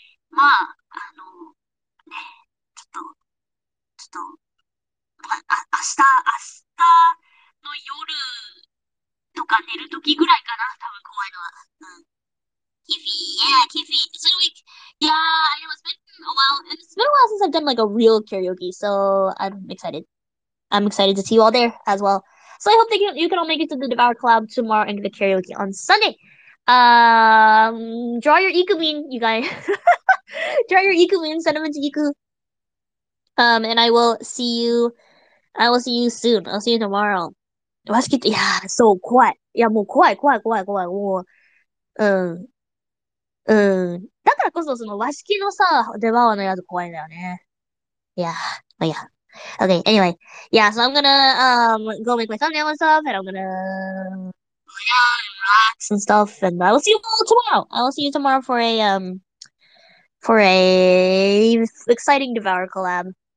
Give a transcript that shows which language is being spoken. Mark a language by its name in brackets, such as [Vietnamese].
[Japanese] まあ、ね、ちょっと、明日の夜とか寝るときぐらいかな、多分怖いのは。 [English] Kiffy, it's been a week. Yeah, I know, it's been a while since I've done like a real karaoke, so I'm excited to see you all there as well. So I hope that you can all make it to the Devour Collab tomorrow and the karaoke on Sunday. Draw your Ikumin, you guys. Draw your Ikumin, send them into Iku. And I will see you soon. I'll see you tomorrow. Let's get to, yeah, so quiet. Yeah, [Japanese] もう怖い、怖い、怖い、怖い。もう、うん。うん。だからこそ、その和式のさ、出番のやつ怖いんだよね。いや、まあいいや。 [English] Okay, anyway. Yeah, so I'm gonna go make my thumbnail and stuff, and I'm gonna play on and relax and stuff, and I will see you all tomorrow. I will see you tomorrow for a exciting Devour collab.